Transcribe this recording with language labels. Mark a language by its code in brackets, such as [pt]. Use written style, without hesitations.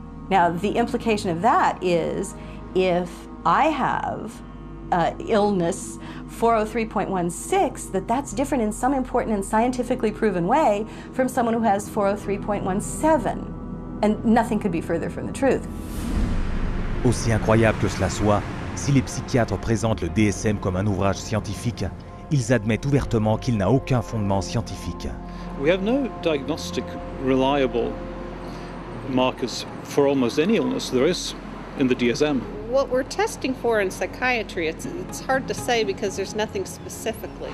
[en] Now, the implication of that is if I have illness 403.16, that's different in some important and scientifically proven way from someone who has 403.17. And nothing could be further from the truth. [fr] Aussi incroyable que cela soit, si les psychiatres présentent le DSM comme un ouvrage scientifique, ils admettent ouvertement qu'il n'a aucun fondement scientifique. [en] We have no diagnostic reliable markers for almost any illness there is in the DSM. What we're testing for in psychiatry, it's hard to say because there's nothing specifically.